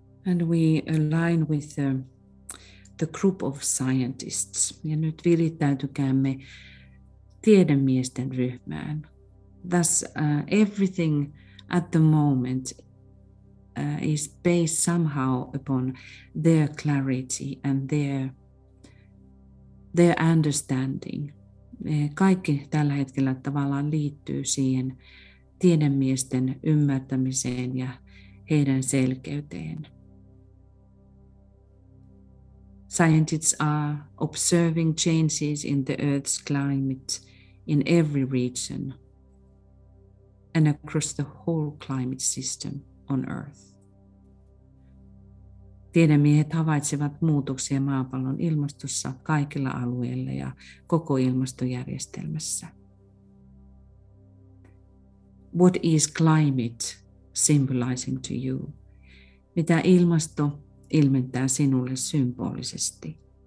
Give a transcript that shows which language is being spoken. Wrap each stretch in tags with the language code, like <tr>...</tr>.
<en>And we align with the group of scientists.</en> <fi>Ja nyt virittäytykäämme tiedemiesten ryhmään.</fi> <en>Thus everything at the moment is based somehow upon their clarity and their understanding.</en> <fi>Kaikki tällä hetkellä tavallaan liittyy siihen tiedemiesten ymmärtämiseen ja heidän selkeyteen.</fi> <en>Scientists are observing changes in the Earth's climate in every region and across the whole climate system on Earth.</en> <fi>Tiedemiehet havaitsevat muutoksia maapallon ilmastossa kaikilla alueilla ja koko ilmastojärjestelmässä.</fi> <en>What is climate symbolizing to you?</en> <fi>Mitä ilmasto ilmentää sinulle symbolisesti?</fi>